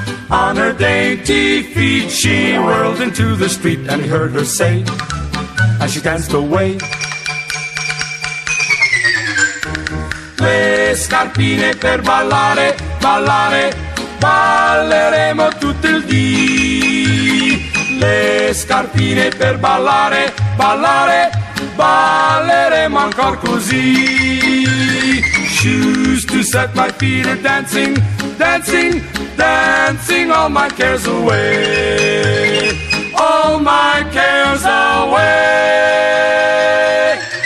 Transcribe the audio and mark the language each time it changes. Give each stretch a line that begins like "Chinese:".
English: On her dainty feet she whirled into the street, and he heard her say as she danced away,
Italian: le scarpine per ballare, ballare, balleremo tutto il dì. Le scarpine per ballare, ballare, balleremo ancora così.
English: Shoes to set my feet a dancing, dancing, dancing all my cares away, all my cares away.